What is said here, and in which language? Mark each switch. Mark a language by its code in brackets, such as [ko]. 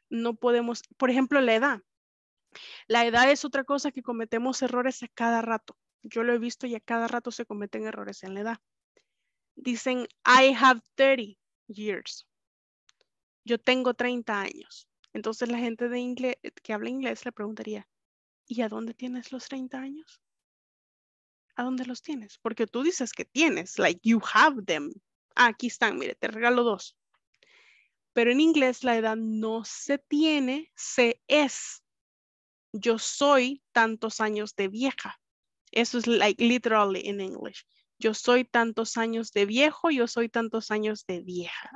[es] No podemos, por ejemplo, la edad. La edad es otra cosa que cometemos errores a cada rato. Yo lo he visto y a cada rato se cometen errores en la edad. Dicen, [en] I have 30 years. [es] Yo tengo 30 años. Entonces la gente de inglés, que habla inglés, le preguntaría, ¿Y a dónde tienes los 30 años? ¿A dónde los tienes? Porque tú dices que tienes, [en] like you have them. [es] Ah, aquí están, mire, te regalo dos. Pero en inglés la edad no se tiene, se es. Yo soy tantos años de vieja. Eso es [en] like literally in English. [es] Yo soy tantos años de viejo, yo soy tantos años de vieja.